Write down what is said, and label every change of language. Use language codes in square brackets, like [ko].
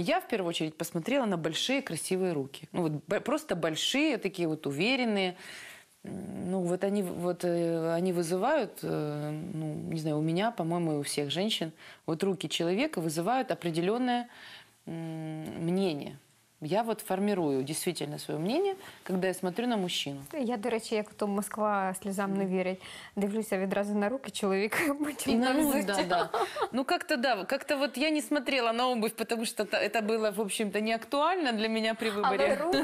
[ru] Я в первую очередь посмотрела на большие красивые руки. Просто большие, такие вот уверенные. Они вызывают, у меня, по-моему, и у всех женщин, вот руки человека вызывают определенное мнение. Я вот формирую действительно свое мнение, когда я смотрю на мужчину. [uk] Я, до речі, як то [ru] Москва слезам [uk] не вірить, дивлюся відразу на руки чоловіка, потім на взуття. [ru] Как-то я не смотрела на обувь, потому что это было, в общем-то, не актуально для меня при выборе.